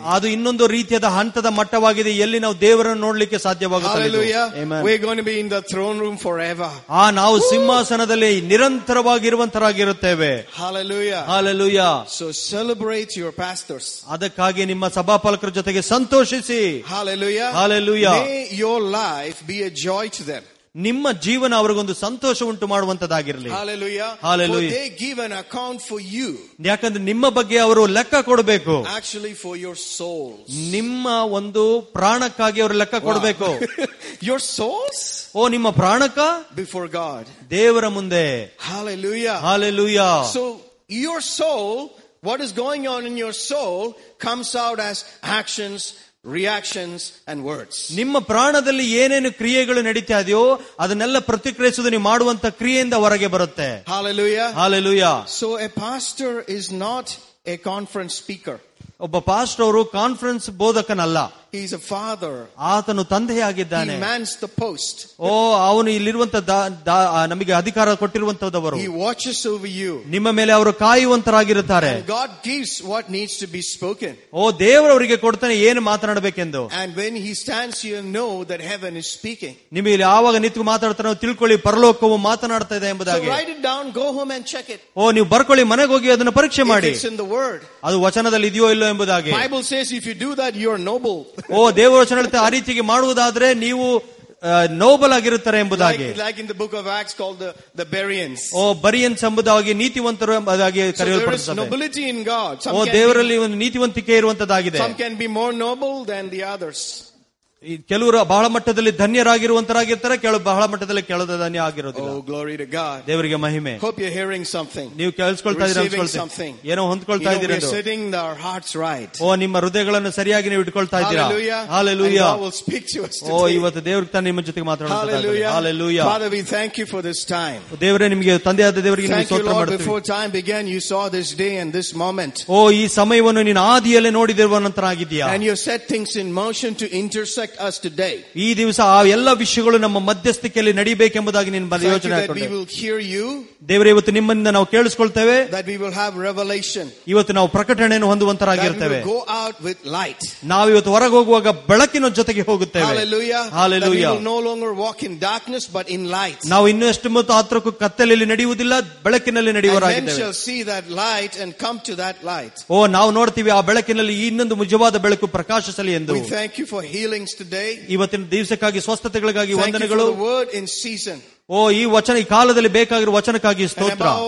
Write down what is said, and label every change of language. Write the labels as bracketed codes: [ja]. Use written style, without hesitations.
[kn] ಅದು ಇನ್ನೊಂದು ರೀತಿಯಾದ ಹಂತದ ಮಟ್ಟವಾಗಿದೆ ಎಲ್ಲಿ ನಾವು ದೇವರನ್ನು ನೋಡಲಿಕ್ಕೆ ಸಾಧ್ಯವಾಗುತ್ತೆ. [en] Hallelujah. Amen. We're going to be in the throne room forever. [kn] ಆ ನಾವು ಸಿಂಹಾಸನದಲ್ಲಿ ನಿರಂತರವಾಗಿರುವಂತರಾಗಿರುತ್ತೇವೆ. [en] Hallelujah. Hallelujah. So celebrate your pastors. [kn] ಅದಕ್ಕಾಗಿ ನಿಮ್ಮ ಸಭಾಪಾಲಕರ ಜೊತೆಗೆ ಸಂತೋಷಿಸಿ. [en] Hallelujah. Hallelujah. May your life be a joy to them. [kn] ನಿಮ್ಮ ಜೀವನ ಅವರಿಗೊಂದು ಸಂತೋಷ ಉಂಟು ಮಾಡುವಂತದಾಗಿರಲಿ. [en] Hallelujah. They give an account for you. [kn] ಯಾಕಂದ್ರೆ ನಿಮ್ಮ ಬಗ್ಗೆ ಅವರು ಲೆಕ್ಕ ಕೊಡಬೇಕು. [en] Actually for your souls. [kn] ನಿಮ್ಮ ಒಂದು ಪ್ರಾಣಕ್ಕಾಗಿ ಅವರು ಲೆಕ್ಕ ಕೊಡಬೇಕು. [en] Your souls? [kn] ಓ ನಿಮ್ಮ ಪ್ರಾಣಕ್ಕ? [en] Before God. [kn] ದೇವರ ಮುಂದೆ. [en] Hallelujah. Hallelujah. So your soul, what is going on in your soul comes out as actions, reactions and words. [kn] ನಿಮ್ಮ ಪ್ರಾಣದಲ್ಲಿ ಏನೇನು ಕ್ರಿಯೆಗಳು ನಡೀತಾ ಇದೆಯೋ ಅದನ್ನೆಲ್ಲ ಪ್ರತಿಕ್ರಿಯಿಸುವುದು ನೀವು ಮಾಡುವಂತ ಕ್ರಿಯೆಯಿಂದ ಹೊರಗೆ ಬರುತ್ತೆ. [en] Hallelujah. Hallelujah. So a pastor is not a conference speaker. [kn] ಒಬ್ಬ ಪಾಸ್ಟರ್ ಅವರು conference ಬೋಧಕನಲ್ಲ. [en] He is a father. [kn] ಆತನು ತಂದೆಯಾಗಿದ್ದಾನೆ. [en] He mans the post. [kn] ಓ ಅವನು ಇಲ್ಲಿರುವಂತ ನಮಗೆ ಅಧಿಕಾರ ಕೊಟ್ಟಿರುವಂತವರು. [en] He watches over you. [kn] ನಿಮ್ಮ ಮೇಲೆ ಅವರು ಕಾಯುವಂತರಾಗಿರುತ್ತಾರೆ. [en] God gives what needs to be spoken. [kn] ಓ ದೇವರು ಅವರಿಗೆ ಕೊಡ್ತಾನೆ ಏನು ಮಾತನಾಡಬೇಕೆಂದು. [en] And when he stands here, know that heaven is speaking. [kn] ನಿಮ್ಮ ಇಲ್ಲಿ ಆವಾಗ ನಿಂತು ಮಾತಾಡ್ತಾನೋ ತಿಳ್ಕೊಳ್ಳಿ, ಪರಲೋಕವು ಮಾತನಾಡ್ತಾ ಇದೆ ಎಂಬುದಾಗಿ. [en] So write it down, go home and check it. [kn] ಓ ನೀವು ಬರ್ಕೊಳ್ಳಿ, ಮನೆಗೆ ಹೋಗಿ ಅದನ್ನು ಪರೀಕ್ಷೆ ಮಾಡಿ. [en] It's in the word. [kn] ಅದು ವಚನದಲ್ಲಿ ಇದೆಯೋ ಇಲ್ಲೋ ಎಂಬುದಾಗಿ. [en] Bible says if you do that you are noble. [kn] ಓ ದೇವರ ವಚನದಲ್ಲಿ ಆ ರೀತಿಗೆ ಮಾಡುವುದಾದ್ರೆ ನೀವು ನೋಬಲ್ ಆಗಿರುತ್ತಾರೆ ಎಂಬುದಾಗಿ. [en] Like in the book of Acts called the Bereans. [kn] ಓ ಬರಿಯನ್ಸ್ ಎಂಬುದಾಗಿ, ನೀತಿವಂತರು ಎಂಬುದಾಗಿ ಕರೆಯಲ್ಪಡುತ್ತದೆ. [en] There is nobility in God. [kn] ಓ ದೇವರಲ್ಲಿ ಒಂದು ನೀತಿವಂತಿಕೆ ಇರುವಂತದ್ದಾಗಿದೆ. [en] Some can be more noble than the others. [kn] ಕೆಲವರು ಬಹಳ ಮಟ್ಟದಲ್ಲಿ ಧನ್ಯರಾಗಿರುವಂತರಾಗಿರ್ತಾರೆ, ಕೆಲವು ಬಹಳ ಮಟ್ಟದಲ್ಲಿ ಕೆಳದ ಧನ್ಯ ಆಗಿರೋದಿಲ್ಲ. [en] Oh, glory to God. [kn] ದೇವರಿಗೆ ಮಹಿಮೆ. [en] Hope you're hearing something. [kn] ನೀವು ಕೇಳಿಸ್ಕೊಳ್ತಾ ಇದ್ದೀರಾ ಅನ್ಸ್ಕೊಳ್ತೀರಿ, ಏನೋ ಹೊಂದ್ಕೊಳ್ತಾ ಇದ್ದೀರಿ. [en] You're setting our hearts right. [kn] ಓ ನಿಮ್ಮ ಹೃದಯಗಳನ್ನು ಸರಿಯಾಗಿ ನೀವು ಇಟ್ಕೊಳ್ತಾ ಇದ್ದೀರಾ. [en] Hallelujah. God will speak to us. [kn] ಓ ಇವತ್ತು ದೇವರು ತಾನೇ ನಿಮ್ಮ ಜೊತೆ ಮಾತಾಡುತ್ತಾನೆ. [en] Hallelujah. Father, we thank you for this time. [kn] ದೇವರೇ ನಿಮಗೆ ತಂದೆಯಾದ ದೇವರಿಗೆ ನಾವು ಸ್ತೋತ್ರ ಮಾಡುತ್ತೇವೆ. [en] Thank you, Lord, before time began you saw this day and this moment. [kn] ಓ ಈ ಸಮಯವನ್ನು ನೀನು ಆದಿಯಲ್ಲಿ ನೋಡಿದಿರುವ ನಂತರ ಆಗಿದೆಯಾ. [en] And you set things in motion to intersect us today. [kn] ಈ ದಿವಸ ಆ ಎಲ್ಲ ವಿಷಯಗಳು ನಮ್ಮ ಮಧ್ಯಸ್ಥಿಕೆಯಲ್ಲಿ ನಡೀಬೇಕೆಂಬುದಾಗಿ ನೀನು ಬಂದ ಯೋಚನೆ ಮಾಡಿದೆ. ದೇವರೇ ಇವತ್ತು ನಿಮ್ಮಿಂದ ನಾವು ಕೇಳಿಸಿಕೊಳ್ತೇವೆ. [en] That we will have revelation. [kn] ಇವತ್ತು ನಾವು ಪ್ರಕಟಣೆಯನ್ನು ಹೊಂದುವಂತರಾಗಿರ್ತೇವೆ. [en] Go out with light. [kn] ನಾವು ಇವತ್ತು ಹೊರಗೆ ಹೋಗುವಾಗ ಬೆಳಕಿನ ಜೊತೆಗೆ ಹೋಗುತ್ತೇವೆ. [en] Hallelujah. We will no longer walk in darkness but in light. [kn] ನಾವು ಇನ್ನಷ್ಟು ಮತ್ತು ಆತ್ರಕ್ಕೂ ಕತ್ತಲೆಯಲ್ಲಿ ನಡೆಯುವುದಿಲ್ಲ, ಬೆಳಕಿನಲ್ಲಿ ನಡೆಯುವರಾಗಿದ್ದೇವೆ. [en] And then shall see that light and come to that light. [kn] ಓ ನಾವು ನೋಡ್ತೀವಿ ಆ ಬೆಳಕಿನಲ್ಲಿ ಇನ್ನೊಂದು ನಿಜವಾದ ಬೆಳಕು ಪ್ರಕಾಶಿಸಲಿ ಎಂದು. [en] We thank you for healings today. [kn] ಇವತ್ತಿನ ದಿವಸಕ್ಕಾಗಿ, ಸ್ವಸ್ಥತೆಗಳಿಗಾಗಿ ವಂದನೆಗಳು. [en] Thank you for the word in season. [kn] ಓ ಈ ವಚನ, ಈ ಕಾಲದಲ್ಲಿ ಬೇಕಾಗಿರುವ ವಚನಕ್ಕಾಗಿ ಸ್ತೋತ್ರ.